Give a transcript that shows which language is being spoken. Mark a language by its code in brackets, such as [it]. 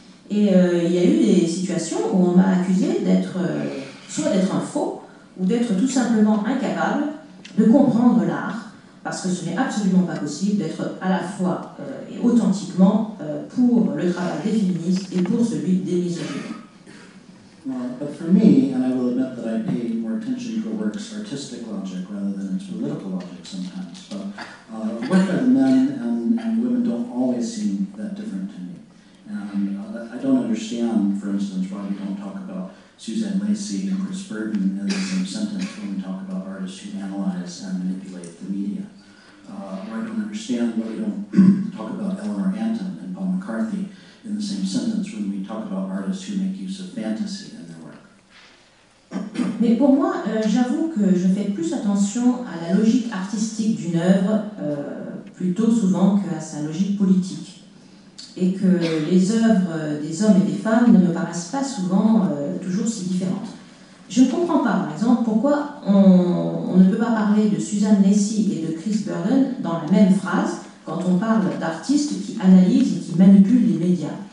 [fr] Et il y a eu des situations où on m'a accusé d'être soit d'être un faux ou d'être tout simplement incapable de comprendre l'art. Parce que ce n'est absolument pas possible d'être à la fois et authentiquement pour le travail des féministes et pour celui des misogynes. [en] But for me, and I will admit that I pay more attention to a work's artistic logic rather than its political logic sometimes, but work by the men and women don't always seem that different to me. And I don't understand, for instance, why we don't talk about Suzanne Lacy and Chris Burden in the same sentence when we talk about artists who analyze and manipulate the media. Or I don't understand why we don't talk about Eleanor Anton and Paul McCarthy in the same sentence when we talk about artists who make use of fantasy in their work. [fr] Mais pour moi, j'avoue que je fais plus attention à la logique artistique d'une œuvre plutôt souvent qu'à sa logique politique. Et que les œuvres des hommes et des femmes ne me paraissent pas souvent toujours si différentes. Je ne comprends pas, par exemple, pourquoi on ne peut pas parler de Suzanne Lacy et de Chris Burden dans la même phrase quand on parle d'artistes qui analysent et qui manipulent les médias.